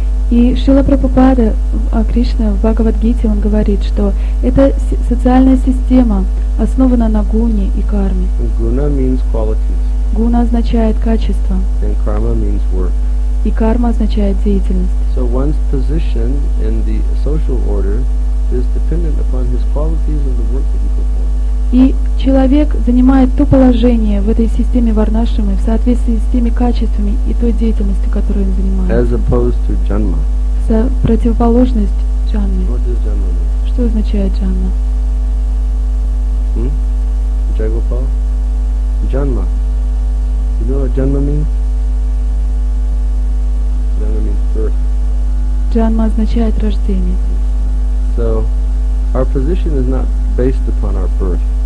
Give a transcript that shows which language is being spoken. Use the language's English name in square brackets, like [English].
[Russian] И Шрила Прабхупада Кришна в Бхагавадгите он говорит, что эта социальная система основана на гуне и карме. [English] Guna means qualities. [Russian] Гуна означает качество. [English] And karma means work. [Russian] И карма означает деятельность. [English] So one's position in the social order is dependent upon his qualities and the work that he performs. [Russian] И человек занимает то положение в этой системе варнашрамы в соответствии с теми качествами и той деятельностью, которую он занимает. [English] As opposed to janma. [Russian] Противоположность джанме. [English] What does janma mean? [Russian] Что означает джанма? [English] Джагопал? Janma. You know what janma means? Janma means birth. [Russian] Джанма означает рождение. [English] So, our position is not based upon our birth.